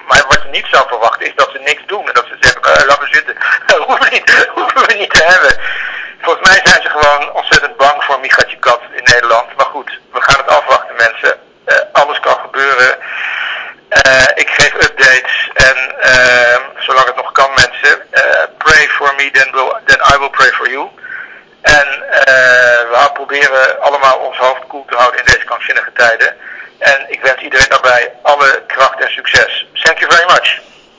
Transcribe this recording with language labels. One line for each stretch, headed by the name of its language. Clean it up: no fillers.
Dutch: Maar wat je niet zou verwachten is dat ze niks doen. En dat ze zeggen, laten we zitten. hoeven we niet te hebben. Volgens mij zijn ze gewoon ontzettend bang voor Michatje Kat in Nederland. Maar goed, we gaan het afwachten, mensen. Alles kan gebeuren. Ik geef updates. En zolang het nog kan, mensen.
English: Pray for me, then I will pray for you.
Dutch: En we proberen allemaal ons hoofd koel te houden in deze kansinnige tijden. En ik wens iedereen daarbij alle kracht en succes.
English: Thank you very much.